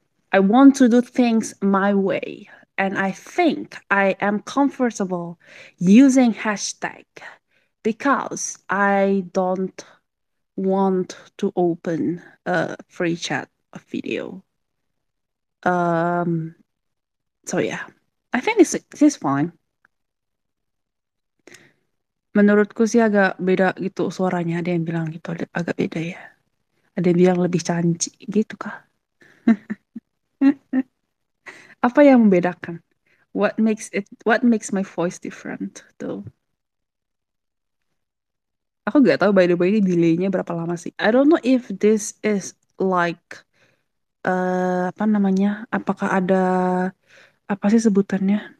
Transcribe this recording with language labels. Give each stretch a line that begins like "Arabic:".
English: I want to do things my way, and I think I am comfortable using hashtag because I don't want to open a free chat video. So yeah, I think this is fine.
Indonesian: Menurutku sih agak beda gitu suaranya. Ada yang bilang gitu, agak beda ya. Ada yang bilang lebih canci gitu kah? Apa yang membedakan?
English: What makes my voice different though?
Indonesian: Aku gak tahu
English: by the way
Indonesian: ini delay-nya berapa lama sih.
English: I don't know if this is like
Indonesian: apa namanya? Apakah ada apa sih sebutannya?